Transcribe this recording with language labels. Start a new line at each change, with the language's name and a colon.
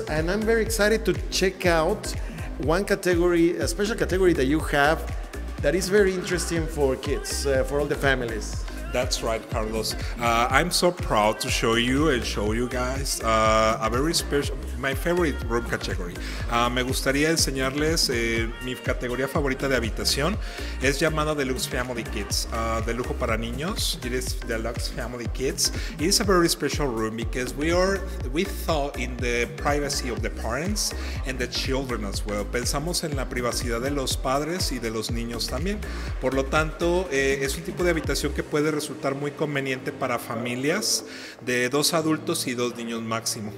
English: And I'm very excited to check out one category, a special category that you have that is very interesting for kids, for all the families. That's right, Carlos. I'm so proud to show you and show you guys a very special, my favorite room category.
Spanish: Me gustaría enseñarles mi categoría favorita de habitación. Es llamada Deluxe Family Kids, de lujo para niños.
English: It is Deluxe Family Kids. It is a very special room because we thought in the privacy of the parents and the children as well.
Spanish: Pensamos en la privacidad de los padres y de los niños también. Por lo tanto, es un tipo de habitación que puede resultar muy conveniente para familias de dos adultos y dos niños máximo.